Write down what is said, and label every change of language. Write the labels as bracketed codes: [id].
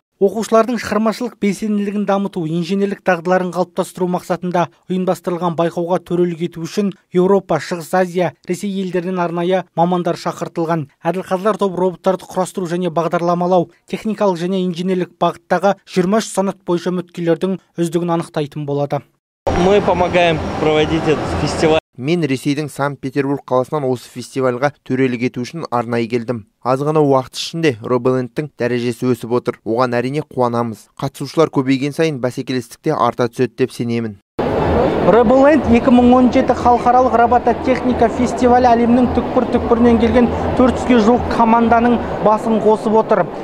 [kk] Оқушылардың шығармашылық белсенділігін дамыту, инженерлік дағдыларын қалыптастыру мақсатында ұйымдастырылған байқауға төрелік ету үшін Еуропа, Шығыс Азия, Ресей елдерінен арнайы мамандар шақыртылған. Әділқазылар тобы роботтарды құрастыру және бағдарламалау, техникалық және инженерлік бағыттағы 23 санат бойынша үміткерлердің үздігін анықтайтын болады. [ru] Мы помогаем проводить этот фестиваль. [kk] Мен Ресейдің Санкт-Петербург қаласынан осы фестивальға төрелік ету үшін арнайы келдім. Аз ғана уақыт ішінде RoboLand-тың дәрежесі өсіп отыр. Оған әрине қуанамыз. Қатысушылар көбейген сайын бәсекелестік те арта түседі деп сенемін. RoboLand 2017 халықаралық робототехника фестивалі әлемнің түкпір-түкпірінен келген 400-ге жуық команданың басын қосып отыр.